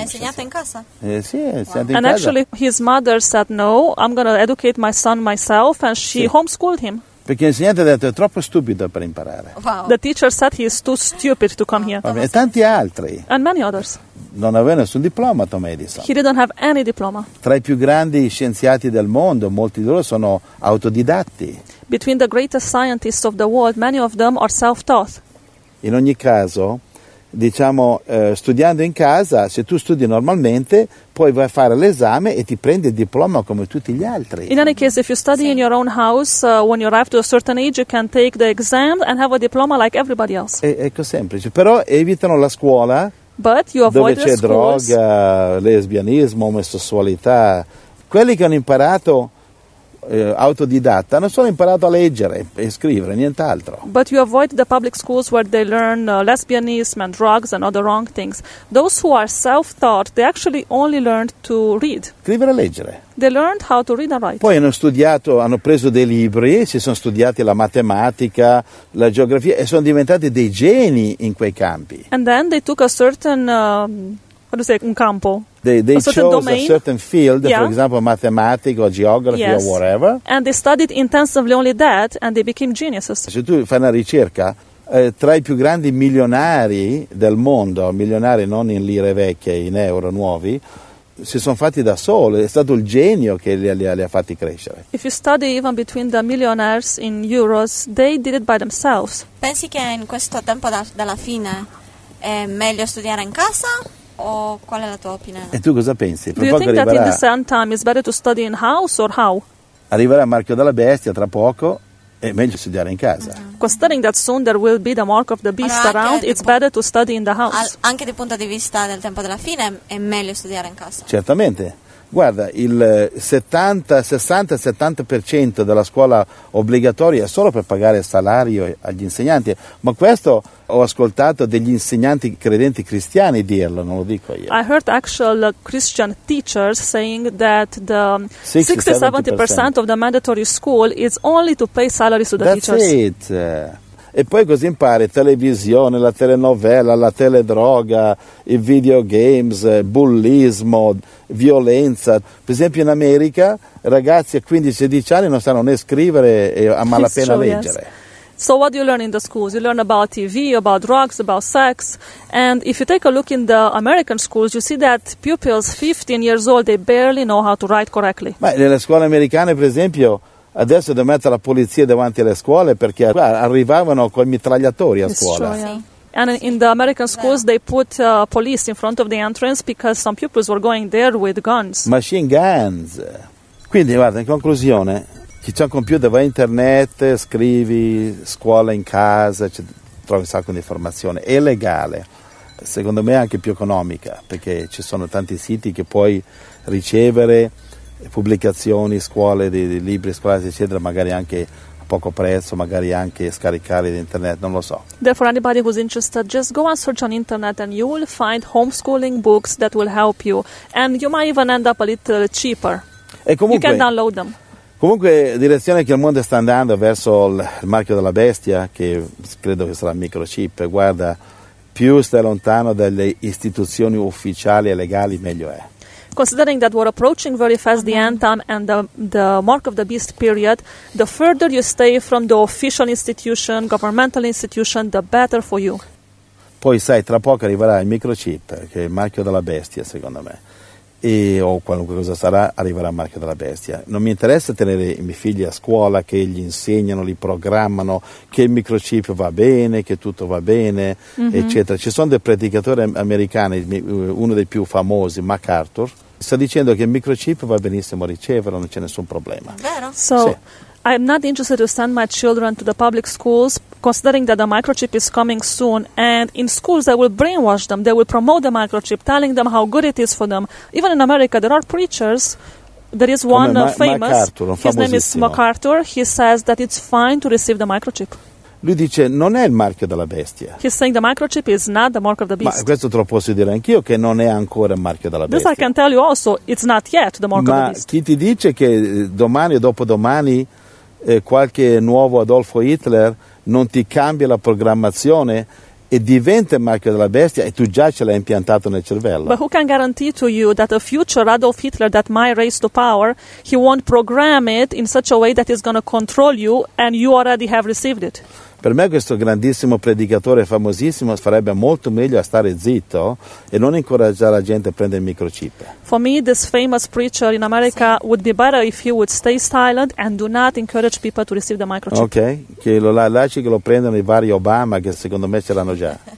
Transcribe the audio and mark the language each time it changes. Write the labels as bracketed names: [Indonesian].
[Italian] Ha insegnato in casa? Sì, ha insegnato in casa. [English] And actually his mother said, no, I'm going to educate my son myself, and she homeschooled him. [Italian] Perché l'insegnante ha detto, è troppo stupido per imparare. [English] Wow. The teacher said he is too stupid to come here. [Italian] E tanti altri. [English] And many others. [Italian] non aveva nessun diploma, Tom Edison. [English] He didn't have any diploma. [Italian] Tra i più grandi scienziati del mondo, molti di loro sono autodidatti. [English] Between the greatest scientists of the world, many of them are self-taught. [Italian] In ogni caso, diciamo, studiando in casa, se tu studi normalmente, poi vai a fare l'esame e ti prendi il diploma come tutti gli altri. [English] In any case, if you study in your own house, when you arrive to a certain age, you can take the exam and have a diploma like everybody else. [Italian] Ecco, semplice. Però evitano la scuola. [English] But you avoid [Italian] dove c'è droga, lesbianismo, omosessualità. Quelli che hanno imparato autodidatta hanno solo imparato a leggere e scrivere, nient'altro. [English] But you avoid the public schools where they learn lesbianism and drugs and other wrong things. Those who are self-taught, they actually only learned to read. [Italian] Scrivere e leggere. [English] They learned how to read and write. [Italian] Poi hanno studiato, hanno preso dei libri, si sono studiati la matematica, la geografia e sono diventati dei geni in quei campi. [English] And then they took a certain [Italian] un campo. [English] They a chose domain. A certain field, yeah. For example, mathematics or geography, yes. Or whatever. And they studied intensively only that and they became geniuses. [Italian] Se tu fai una ricerca, tra i più grandi milionari del mondo, milionari non in lire vecchie, in euro nuovi, si sono fatti da soli, è stato il genio che li ha fatti crescere. [English] If you study even between the millionaires in euros, they did it by themselves. [Italian] Pensi che in questo tempo della fine è meglio studiare in casa? O qual è la tua opinione? E tu cosa pensi? [English] Do you think that in the same time it's better to study in house or how? [Italian] Arriverà il marchio della bestia tra poco, è meglio studiare in casa. Mm-hmm. [English] Considering that soon there will be the mark of the beast around, it's better to study in the house. [Italian] Anche dal punto di vista del tempo della fine è meglio studiare in casa. Certamente. Guarda, il 60-70% della scuola obbligatoria è solo per pagare il salario agli insegnanti, ma questo ho ascoltato degli insegnanti credenti cristiani dirlo, non lo dico io. [English] I heard actual Christian teachers saying that the 60-70% of the mandatory school is only to pay salaries to the That's teachers. That's it. [Italian] E poi così impari televisione, la telenovela, la teledroga, i videogames, bullismo, violenza. Per esempio in America ragazzi a 15-16 anni non sanno né scrivere e a malapena leggere. [English] Yes. So what do you learn in the schools? You learn about TV, about drugs, about sex. And if you take a look in the American schools, you see that pupils 15 years old, they barely know how to write correctly. [Italian] Ma nelle scuole americane, per esempio, adesso devo mettere la polizia davanti alle scuole perché arrivavano con i mitragliatori a scuola. Sì. [English] And in the American schools they put police in front of the entrance because some pupils were going there with guns. Machine guns. [Italian] Quindi guarda, in conclusione, chi c'ha un computer va a internet, scrivi, scuola in casa, trovi un sacco di informazione. È legale. Secondo me è anche più economica, perché ci sono tanti siti che puoi ricevere pubblicazioni, scuole, di libri scolastici, eccetera, magari anche a poco prezzo, magari anche scaricarli da internet, non lo so. [English] Therefore, anybody who's interested, just go and search on internet and you will find homeschooling books that will help you. And you might even end up a little cheaper. [Italian] E comunque, [English] you can download them. [Italian] Comunque, direzione che il mondo sta andando verso il marchio della bestia, che credo che sarà il microchip, guarda, più stai lontano dalle istituzioni ufficiali e legali, meglio è. [English] Considering that we're approaching very fast the end time and the mark of the beast period, the further you stay from the official institution, governmental institution, the better for you. [Italian] Poi sai, tra poco arriverà il microchip, che è il marchio della bestia, secondo me. O qualunque cosa sarà, arriverà il marchio della bestia. Non mi interessa tenere i miei figli a scuola, che gli insegnano, li programmano, che il microchip va bene, che tutto va bene, mm-hmm. eccetera. Ci sono dei predicatori americani, uno dei più famosi, MacArthur, sta dicendo che il microchip va benissimo a riceverlo, non c'è nessun problema. Vero? [English] So, [Italian] sì. [English] I'm not interested to send my children to the public schools, considering that the microchip is coming soon, and in schools they will brainwash them, they will promote the microchip, telling them how good it is for them. Even in America there are preachers, there is one famous, MacArthur, his name is MacArthur, he says that it's fine to receive the microchip. [Italian] Lui dice non è il marchio della bestia. [English] He's saying the microchip is not the mark of the beast. [Italian] Ma questo te lo posso dire anch'io che non è ancora il marchio della bestia. [English] This I can tell you also, it's not yet the mark [Italian] Ma [English] of the beast. [Italian] Ma chi ti dice che domani o dopodomani qualche nuovo Adolfo Hitler non ti cambia la programmazione e diventa il marchio della bestia e tu già ce l'hai impiantato nel cervello? [English] But who can guarantee to you that a future Adolf Hitler that might raise to power, he won't program it in such a way that he's going to control you and you already have received it? [Italian] Per me questo grandissimo predicatore famosissimo farebbe molto meglio a stare zitto e non incoraggiare la gente a prendere il microchip. [English] For me, this famous preacher in America would be better if he would stay silent and do not encourage people to receive the microchip. [Italian] Ok, che lo lasci che lo prendano i vari Obama, che secondo me ce l'hanno già.